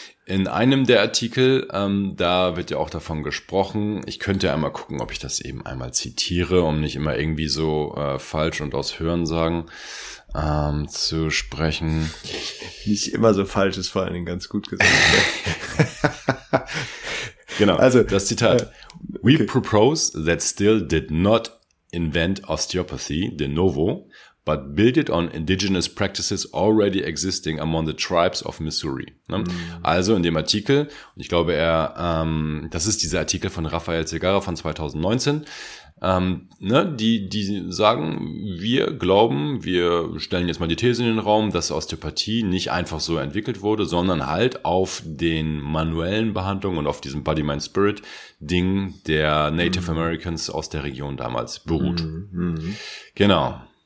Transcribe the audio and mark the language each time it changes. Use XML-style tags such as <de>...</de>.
<de>In einem der Artikel, da wird ja auch davon gesprochen, ich könnte ja einmal gucken, ob ich das eben einmal zitiere, um nicht immer irgendwie so falsch und aus Hörensagen zu sprechen. Nicht immer so falsch, ist vor allen Dingen ganz gut gesagt. Genau, also das Zitat.</de> <en>We propose that Still did not invent osteopathy de novo, but built it on indigenous practices already existing among the tribes of Missouri.</en> <de>Ne? Mm. Also in dem Artikel, und ich glaube, er, das ist dieser Artikel von Rafael Segarra von 2019, die sagen, wir glauben, wir stellen jetzt mal die These in den Raum, dass Osteopathie nicht einfach so entwickelt wurde, sondern halt auf den manuellen Behandlungen und auf diesem Body-Mind-Spirit-Ding der Native Americans aus der Region damals beruht. Genau.</de>